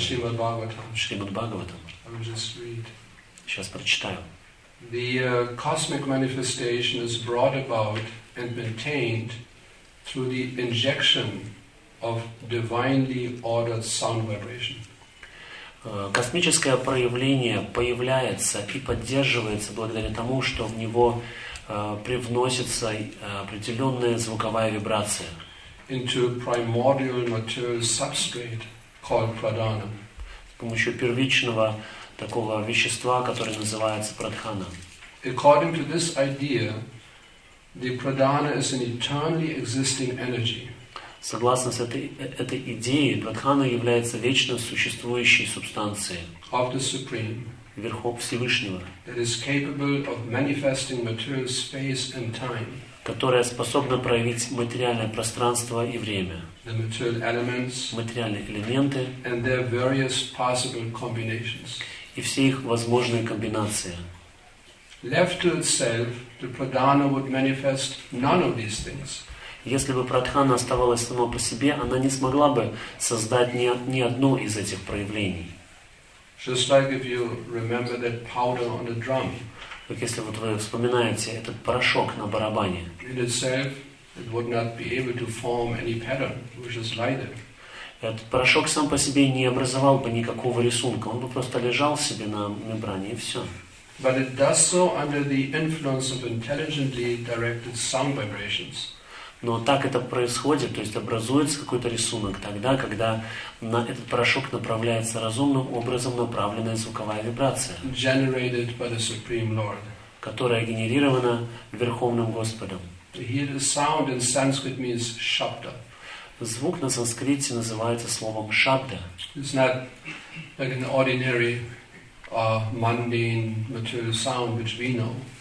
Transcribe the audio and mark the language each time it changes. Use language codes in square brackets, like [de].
[ru] Шримад Бхагаватам. Шримад Бхагаватам. [en] I will just read. [ru] Сейчас прочитаю. [en] The cosmic manifestation is brought about and maintained through the injection of divinely ordered sound vibration. [ru] Космическое проявление появляется и поддерживается благодаря тому, что в него привносится определенная звуковая вибрация [en] into primordial material substrate called pradhana. [ru] С помощью первичного такого вещества, которое называется прадхана. [en] According to this idea, the pradhana is an eternally existing energy. [ru] Согласно с этой идеей, прадхана является вечно существующей субстанцией [en] of the Supreme. [ru] Верхов Всевышнего, [en] that is capable of manifesting material space and time. [ru] Которая способна проявить материальное пространство и время, [en] the material elements, [ru] материальные элементы, [en] and their various possible combinations. [ru] И все их возможные комбинации. [en] Left to itself, the pradhana would manifest none of these things. [ru] Если бы прадхана оставалась сама по себе, она не смогла бы создать ни одно из этих проявлений. [en] Just like if you remember that powder on the drum. [ru] Как если вот вы вспоминаете этот порошок на барабане. [en] In itself, it would not be able to form any pattern, which is lighter. [ru] Этот порошок сам по себе не образовал бы никакого рисунка, он бы просто лежал себе на мембране и все. [en] But it does so under the influence of intelligently directed sound vibrations. [ru] Но так это происходит, то есть образуется какой-то рисунок тогда, когда на этот порошок направляется разумным образом направленная звуковая вибрация, [en] generated by the Supreme Lord, [ru] которая генерирована Верховным Господом. [en] To hear the sound in Sanskrit means shabda. [ru] Звук на санскрите называется словом шабда. [en] It's not like an ordinary, mundane material sound which we know.